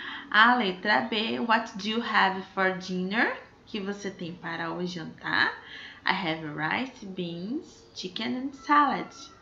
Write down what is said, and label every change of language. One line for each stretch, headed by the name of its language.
Portuguese: A letra B,
English: what do you have for dinner?
Portuguese: Que você tem para o jantar?
English: I have rice, beans, chicken and salad.